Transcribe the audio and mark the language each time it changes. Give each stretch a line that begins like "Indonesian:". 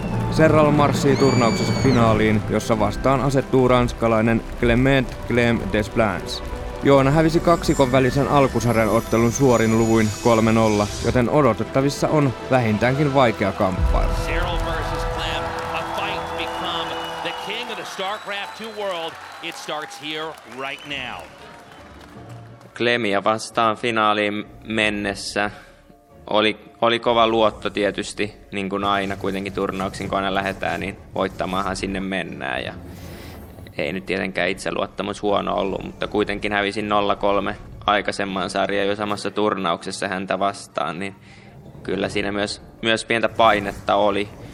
Finnish: Serral marssii turnauksessa finaaliin, jossa vastaan asettuu ranskalainen Clément Clem Desplans. Joona hävisi kaksikon välisen alkusarjan ottelun suorin luvuin 3-0, joten odotettavissa on vähintäänkin vaikea kamppailu.
English: Serral versus Clem, a fight become the king of the StarCraft 2 world. It starts here right now.
Finnish: Clemia vastaan finaaliin mennessä oli kova luotto tietysti, niin kuin aina kuitenkin turnauksin, kun aina lähdetään, niin voittamaanhan sinne mennään. Ja ei nyt tietenkään itseluottamus huono ollut, mutta kuitenkin hävisin 0-3 aikaisemman sarjan jo samassa turnauksessa häntä vastaan, niin kyllä siinä myös pientä painetta oli.